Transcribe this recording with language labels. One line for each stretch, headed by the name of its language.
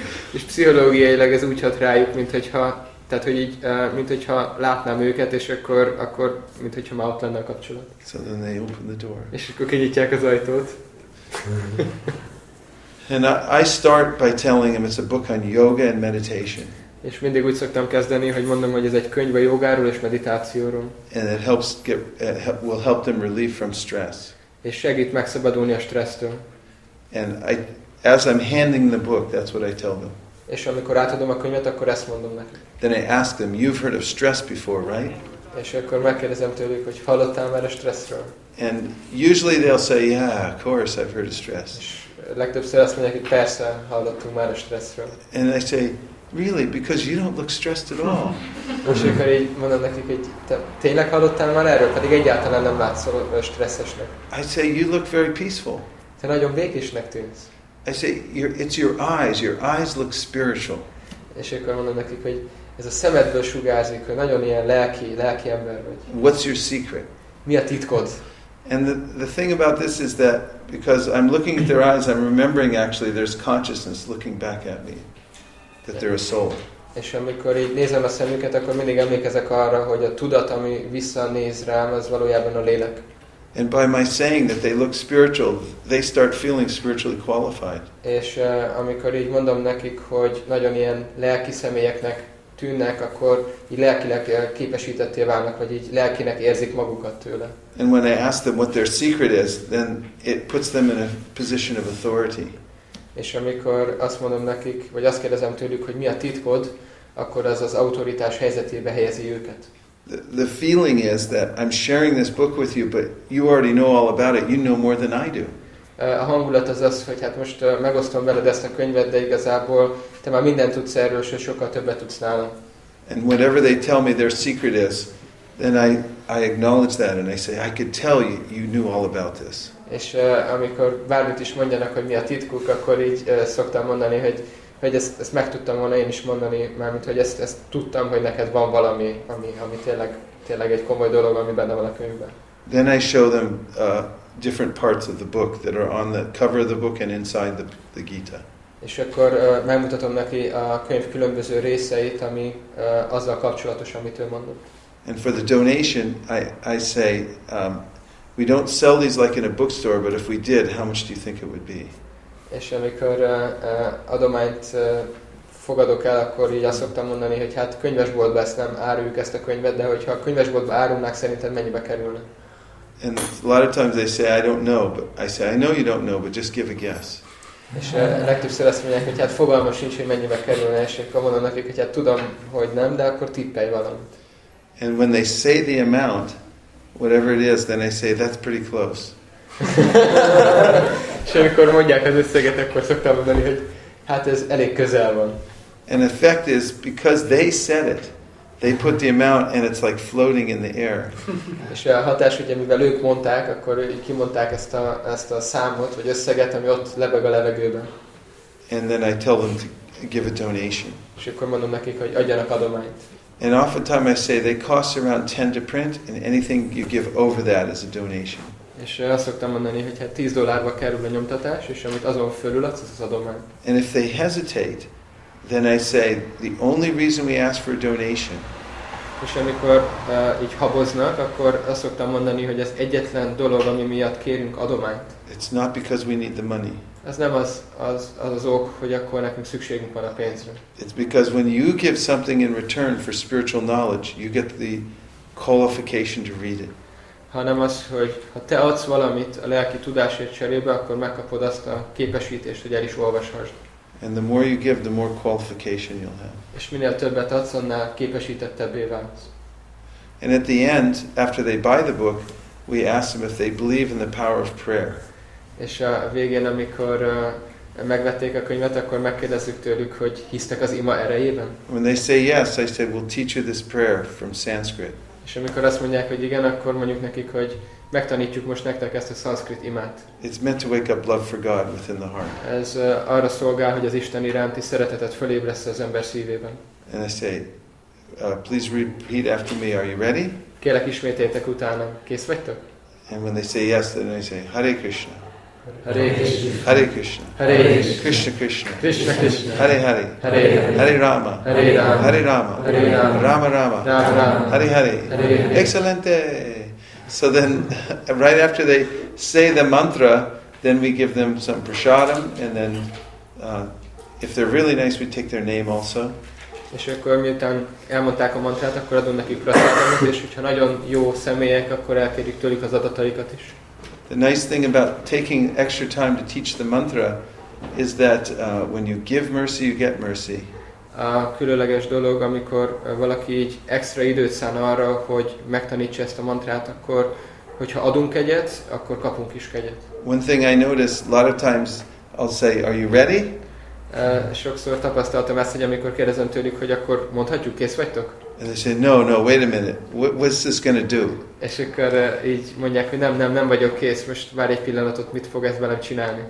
Hungarian: És pszichológiailag ez úgy hat rájuk, mintha tehát, hogy így, mintha látnám őket, és akkor mintha már ott lenne a kapcsolat.
English: So then they open the door.
Hungarian: És akkor kinyitják az ajtót.
English: And I start by telling him it's a book on yoga and meditation.
Hungarian: És mindig úgy szoktam kezdeni, hogy mondom, hogy ez egy könyv a jogáról és meditációról.
English: And it helps get, it will help them relieve from stress.
Hungarian: És segít megszabadulni a stressztől.
English: And I, as I'm handing the book, that's what I tell them.
Hungarian: És amikor átadom a könyvet, akkor ezt mondom nekik.
English: Then I ask them, you've heard of stress before, right?
Hungarian: És akkor megkérdezem tőlük, hogy hallottál már a stresszről?
English: And usually they'll say, yeah, of course, I've heard of stress.
Hungarian: Legtöbbször azt mondják, hogy persze, hallottunk már a stresszről.
English: And I say, really, because you don't look stressed at all.
Hungarian: És akkor így mondom nekik, hogy te tényleg hallottál már erről? Pedig egyáltalán nem látszol stresszesnek.
English: I say, you look very peaceful.
Hungarian: Te nagyon békésnek tűnsz.
English: I say, it's your eyes. Your eyes look spiritual.
Hungarian: És akkor mondom nekik, hogy ez a szemedből sugárzik, hogy nagyon ilyen lelki ember vagy.
English: What's your secret?
Hungarian: Mi a titkod?
English: And the thing about this is that because I'm looking at their eyes, I'm remembering actually there's consciousness looking back at me, that they're a soul.
Hungarian: És amikor így nézem a szemüket, akkor mindig emlékezek arra, hogy a tudat, ami visszanéz rám, az valójában a lélek.
English: And by my saying that they look spiritual, they start feeling spiritually qualified.
Hungarian: És amikor így mondom nekik, hogy nagyon ilyen lelki személyeknek tűnnek, akkor így lelkileg képesítetté válnak, vagy így lelkinek érzik magukat tőle.
English: And when I ask them what their secret is, then it puts them in a position of authority.
Hungarian: És amikor azt mondom nekik, vagy azt kérdezem tőlük, hogy mi a titkod, akkor az az autoritás helyzetébe helyezi őket.
English: The feeling is that I'm sharing this book with you, but you already know all about it. You know more than I do.
Hungarian: A hangulat az, hogy hát most megosztom veled ezt a könyvet, de igazából te már mindent tudsz erről, és sokkal többet tudsz nálam.
English: And whatever they tell me their secret is, then I acknowledge that and I say, I could tell you, you knew all about this.
Hungarian: És amikor bármit is mondjanak, hogy mi a titkuk, akkor így szoktam mondani, hogy ezt meg tudtam volna én is mondani, mármint hogy ezt tudtam, hogy neked van valami, ami tényleg egy komoly dolog, ami benne van a könyvben.
English: Then I show them different parts of the book that are on the cover of the book and inside the Gita.
Hungarian: És akkor megmutatom neki a könyv különböző részeit, ami azzal kapcsolatos, amit ő mondott.
English: And for the donation, I say, we don't sell these like in a bookstore, but if we did, how much do you think it would be?
Hungarian: És amikor adományt fogadok el, akkor így azt szoktam mondani, hogy hát könyvesboltba ezt nem áruljuk ezt a könyvet, de hogyha a könyvesboltba árulnák, szerinted mennyibe kerülne?
English: And a lot of times they say, I don't know, but I say, I know you don't know, but just give a guess.
Hungarian: És legtöbbször azt mondják, hogy hát fogalma sincs, hogy mennyibe kerülne, és akkor mondom nekik, hogy hát tudom, hogy nem, de akkor tippelj valamit.
English: And when they say the amount, whatever it is, then I say, that's pretty close.
Hungarian: És amikor mondják az összeget, akkor szoktam mondani, hogy hát ez elég közel van.
English: And the fact is, because they said it, they put the amount and it's like floating in the air.
Hungarian: És a hatás, ugye, mivel ők mondták, akkor így kimondták ezt a számot, vagy összeget, ami ott lebeg a levegőben.
English: And then I tell them to give a donation.
Hungarian: És akkor mondom nekik, hogy adjanak adományt.
English: And oftentimes I say, they cost around 10 to print, and anything you give over that is a donation.
Hungarian: És azt szoktam mondani, hogy hát $10 kerül a nyomtatás, és amit azon fölül adsz, az adomány.
English: And if they hesitate, then I say, the only reason we ask for a donation.
Hungarian: És amikor így haboznak, akkor azt szoktam mondani, hogy ez egyetlen dolog, ami miatt kérünk adományt.
English: It's not because we need the money.
Hungarian: Ez nem az ok, hogy akkor nekünk szükségünk van a pénzre.
English: It's because when you give something in return for spiritual knowledge, you get the qualification to read it.
Hungarian: Hanem az, hogy ha te adsz valamit a lelki tudásért cserébe, akkor megkapod azt a képesítést, hogy el is olvashasd.
English: And the more you give, the more qualification you'll have.
Hungarian: És minél többet adsz, annál képesítettebbé válsz.
English: And at the end, after they buy the book, we ask them if they believe in the power of prayer.
Hungarian: És a végén, amikor megvették a könyvet, akkor megkérdezzük tőlük, hogy hisztek az ima erejében.
English: When they say yes, I say, we'll teach you this prayer from Sanskrit.
Hungarian: És amikor azt mondják, hogy igen, akkor mondjuk nekik, hogy megtanítjuk most nektek ezt a szanszkrit imát.
English: It's meant to wake up love for God within the heart.
Hungarian: Ez arra szolgál, hogy az Isten iránti szeretetet fölébressz az ember szívében.
English: And I say, please repeat after me, are you ready?
Hungarian: Kérlek, ismételjétek utána. Kész vagytok?
English: And when they say yes, then I say, Hare Krishna.
Sanskrit: Hare Krishna. Hare Krishna. Krishna Krishna. Hare Hare. Hare Hare. Hare Rama. Hare Rama. Hare Rama. Hare Rama. Rama Rama. Rama Rama. Hare Hare. Hare.
Spanish: Excelente.
English: So then, right after they say the mantra, then we give them some prasadam, and then if they're really nice, we take their name also.
Hungarian: És akkor miután elmondták a mantrát, akkor adunk nekik prasadamot, és hogyha nagyon jó személyek, akkor elkérjük tőlük az adataikat is.
English: The nice thing about taking extra time to teach the mantra is that when you give mercy, you get mercy.
Hungarian: A különleges dolog, amikor valaki így extra időt szán arra, hogy megtanítsa ezt a mantrát, akkor hogyha adunk kegyet, akkor kapunk is kegyet.
English: One thing I notice a lot of times I'll say, are you ready?
Hungarian: Sokszor tapasztaltam ezt, hogy amikor kérdezem tőlük, hogy akkor mondhatjuk, kész vagytok?
English: And they say, no, no, wait a minute, what's this going to do?
Hungarian: És akkor így mondják, hogy nem vagyok kész, most várj egy pillanatot, mit fog ez velem csinálni?